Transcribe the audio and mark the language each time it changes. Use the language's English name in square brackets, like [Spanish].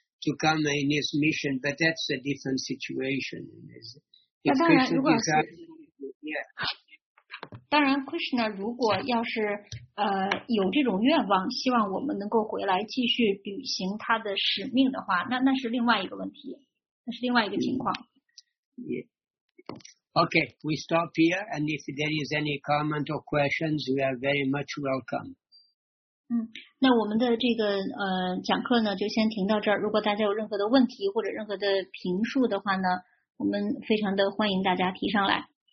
[English] To come in his mission, but that's a different situation. [Chinese] Krishna 如果要是有这种愿望，希望我们能够回来继续履行他的使命的话，那是另外一个问题，那是另外一个情况。 [English] Yeah. Okay, we stop here, and if there is any comment or questions, we are very much welcome. [Chinese] 那我们的这个讲课呢就先停到这儿，如果大家有任何的问题或者任何的评述的话呢，我们非常的欢迎大家提上来。